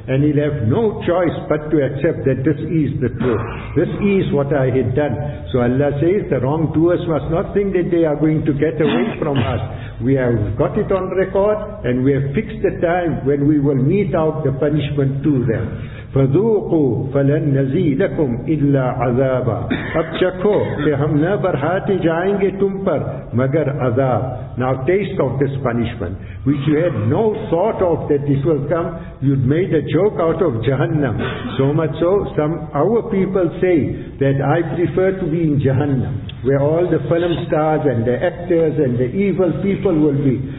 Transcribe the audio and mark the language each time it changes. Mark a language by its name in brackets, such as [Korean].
[English] And he'll have no choice but to accept that this is the truth. This is what I had done. So Allah says, the wrongdoers must not think that they are going to get away from us. We have got it on record and we have fixed the time when we will mete out the punishment to them. [Arabic] فَذُوقُوا فَلَن نَزِيدَكُمْ إِلَّا عَذَابًا. [Urdu] اب چکھو کہ ہم نہ برہاتے جائیں گے تم پر مگر عذاب. [English] Now taste of this punishment, which you had no thought of that this will come. You'd made a joke out of Jahannam. So much so, some our people say that I prefer to be in Jahannam, where all the film stars and the actors and the evil people will be.